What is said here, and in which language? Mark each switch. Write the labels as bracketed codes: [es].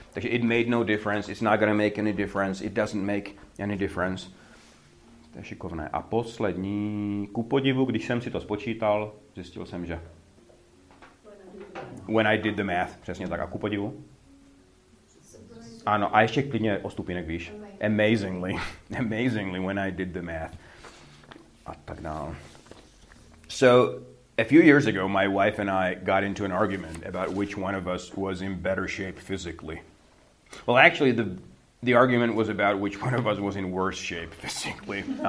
[en] Takže it made no difference, it's not gonna make any difference, it doesn't make any difference. [cs] To je šikovné. A poslední, ku podivu, když jsem si to spočítal, zjistil jsem, že... When I did the math. Přesně tak, a ku podivu. Ano, a ještě klidně o stupínek víš. [en] Amazingly, when I did the math. A tak dál. So, A few years ago, my wife and I got into an argument about which one of us was in better shape physically. Well, actually, the argument was about which one of us was in worse shape physically.